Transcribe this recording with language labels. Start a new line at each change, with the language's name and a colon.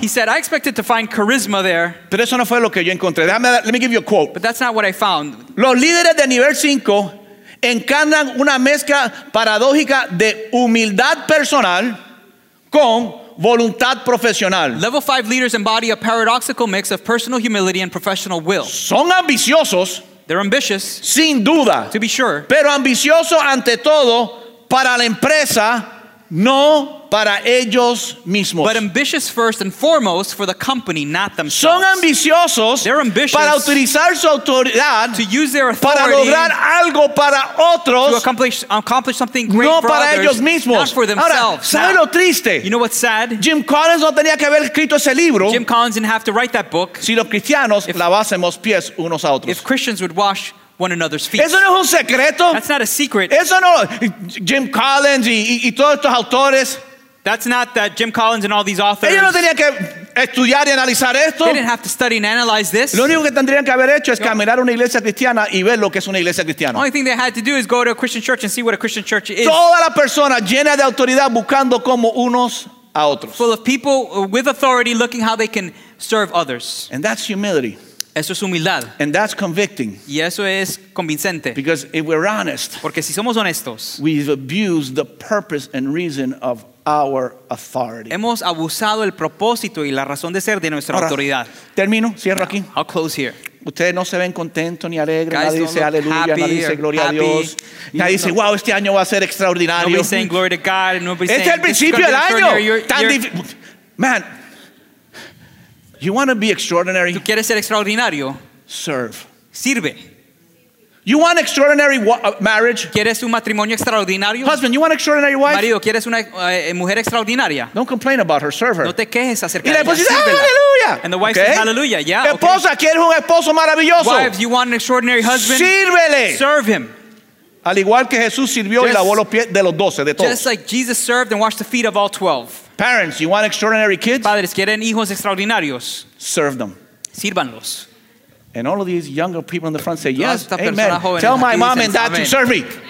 English: He said, I expected to find charisma there.
Spanish: Pero eso no fue lo que yo encontré.
English: Let me give you a quote. But that's not what I found.
Spanish: Los líderes de nivel 5 encarnan una mezcla paradójica de humildad personal con voluntad profesional.
English: Level 5 leaders embody a paradoxical mix of personal humility and professional will.
Spanish: Son ambiciosos.
English: They're ambitious.
Spanish: Sin duda.
English: To be sure.
Spanish: Pero ambicioso ante todo para la empresa, no para ellos mismos.
English: But ambitious first and foremost for the company, not themselves.
Spanish: Son ambiciosos.
English: They're ambitious.
Spanish: Para utilizar su autoridad.
English: To use their authority.
Spanish: Para lograr algo para otros.
English: To accomplish something great
Spanish: no
English: for
Spanish: para
English: others,
Spanish: ellos mismos.
English: Not for themselves.
Spanish: Ahora, lo triste?
English: You know what's sad?
Spanish: Jim Collins no tenía que haber escrito ese libro.
English: Jim Collins didn't have to write that book.
Spanish: Si los cristianos lavásemos pies unos a otros.
English: If Christians would wash one another's feet.
Spanish: Eso no es un secreto.
English: That's not a secret.
Spanish: Eso no. Jim Collins y todos estos autores.
English: That's not that Jim Collins and all these authors.
Spanish: Ellos no tenían que estudiar y analizar esto.
English: They didn't have to study and analyze this.
Spanish: Lo único que tendrían que haber hecho es caminar una iglesia cristiana y ver lo que es una iglesia cristiana.
English: The only thing they had to do is go to a Christian church and see what a Christian church is.
Spanish: Toda la persona llena de autoridad buscando como unos a otros.
English: Full of people with authority looking how they can serve others. And that's humility.
Spanish: Eso es humildad.
English: And that's convicting.
Spanish: Y eso es convincente.
English: Because if we're honest,
Spanish: porque si somos honestos,
English: we've abused the purpose and reason of our authority.
Spanish: Hemos abusado el propósito y la razón de ser de nuestra Ahora, autoridad. Termino, cierro aquí.
English: I'll close here.
Spanish: Ustedes no se ven contentos ni alegres.
English: Guys,
Spanish: nadie dice aleluya, nadie dice gloria
English: happy
Spanish: a Dios. Nadie dice, wow, este año va a ser extraordinario.
English: Nobody's saying glory to God. Nobody's
Spanish: este es el principio del año.
English: Man, you want to be extraordinary?
Spanish: ¿Tú quieres ser extraordinario?
English: Serve.
Spanish: Sirve.
English: You want extraordinary marriage?
Spanish: ¿Quieres un matrimonio extraordinario?
English: Husband, you want extraordinary wife?
Spanish: Marido, ¿quieres una mujer extraordinaria?
English: Don't complain about her, serve her.
Spanish: No te quejes acerca de ella, sírvela. Aleluya.
English: And the wife says, hallelujah. Yeah,
Spanish: esposa,
English: okay.
Spanish: ¿Quieres un esposo maravilloso?
English: Wives, you want an extraordinary husband?
Spanish: Sírvele.
English: Serve him.
Spanish: Al igual que Jesús sirvió y lavó los pies de los 12, de todos.
English: Just like Jesus served and washed the feet of all 12. Parents, you want extraordinary kids?
Spanish: Padres, ¿quieren hijos extraordinarios?
English: Serve them.
Spanish: Sírvanlos.
English: And all of these younger people in the front say, yes, amen. Tell my mom and dad to serve me.